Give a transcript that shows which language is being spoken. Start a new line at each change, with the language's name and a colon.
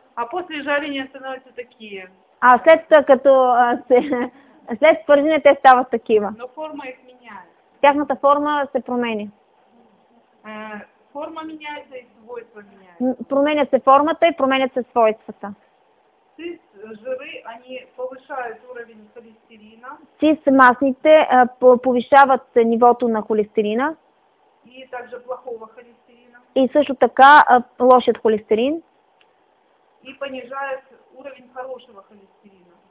Russian: А после жарения становятся такие.
Bulgarian: А след като след пържене те стават такива.
Russian: Но форма их меняет.
Bulgarian: Тяхната форма се промени.
Russian: Форма меняется и свойства меняются.
Bulgarian: Променя се формата и променят се свойствата.
Russian: Жиры, они повышают уровень холестерина.
Bulgarian: Цис масните повишават нивото на холестерина.
Russian: И также плохого холестерина.
Bulgarian: И също така лошият холестерин.
Russian: И понижают уровень хорошего холестерина.